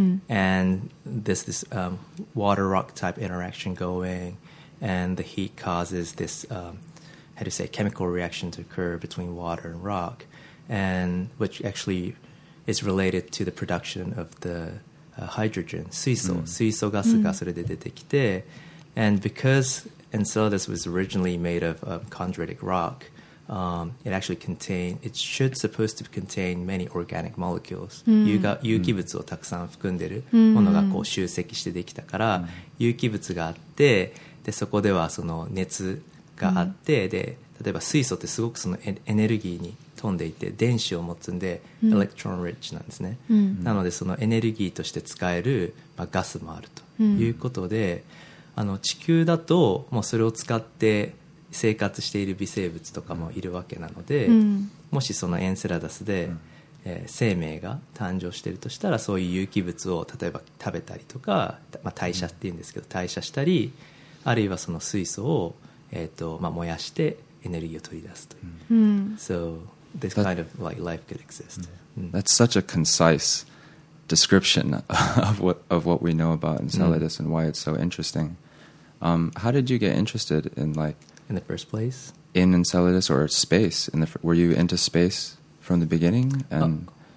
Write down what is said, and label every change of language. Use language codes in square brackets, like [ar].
[en] And this water-rock type interaction going, and the heat causes this, chemical reaction to occur between water and rock, and which actually is related to the production of the hydrogen, 水素. [ja] 水素ガスがそれで出てきて、 [en] And because Enceladus was originally made of chondritic rock, it should supposed to contain many organic molecules.、Mm. [ja] 有機物をたくさん含んでるものがこう集積してできたから、mm. 有機物があって、でそこではその熱があって、mm. で例えば水素ってすごくそのエネルギーに富んでいて、電子を持つんで、mm. [en] electron rich [ja] なんですね。Mm. なのでそのエネルギーとして使える、まあ、ガスもあるということで、mm. 地球だともうそれを使って生活している微生物とかもいるわけなので、うん、もしそのエンセラダスで、うん生命が誕生しているとしたら、そういう有機物を例えば食べたりとか、まあ、代謝っていうんですけど、うん、代謝したり、あるいはその水素を、燃やしてエネルギーを取り出すという、 [en] So this kind of like life could exist、うん、That's such a conciseDescription of what we know about Enceladus、mm. and why it's so interesting.、how did you get interested in the first place in Enceladus or space? Were you into space from the beginning? And